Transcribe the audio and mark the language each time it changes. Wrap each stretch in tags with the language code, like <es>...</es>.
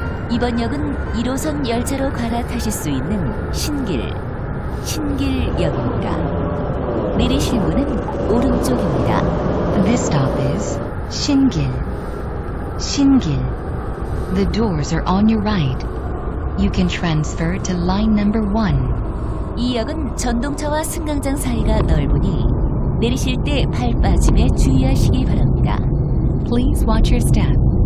<ko>이번 역은 1호선 열차로 갈아타실 수 있는 신길역입니다. 내리실 문은 오른쪽입니다.</ko> <en>This stop is 신길.</en> <ko>신길.</ko> <en>The doors are on your right. You can transfer to line number 1.</en> <ko>이 역은 전동차와 승강장 사이가 넓으니 내리실 때 발 빠짐에 주의하시기 바랍니다.</ko> <en>Please watch your step.</en>